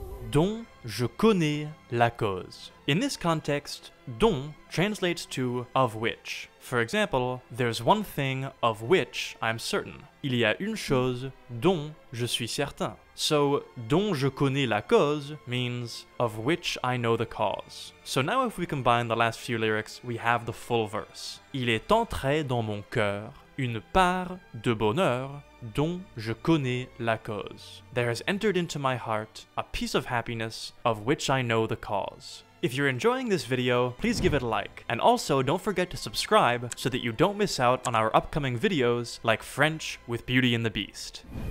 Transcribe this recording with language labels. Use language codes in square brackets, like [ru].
[fr] Dont je connais la cause. [en] In this context, dont translates to of which. For example, there's one thing of which I'm certain. [fr] Il y a une chose dont je suis certain. [en] So, [fr] dont je connais la cause [en] means of which I know the cause. So now if we combine the last few lyrics, we have the full verse. [fr] Il est entré dans mon cœur une part de bonheur dont je connais la cause. [en] There has entered into my heart a piece of happiness of which I know the cause. If you're enjoying this video, please give it a like. And also, don't forget to subscribe so that you don't miss out on our upcoming videos like French with Beauty and the Beast.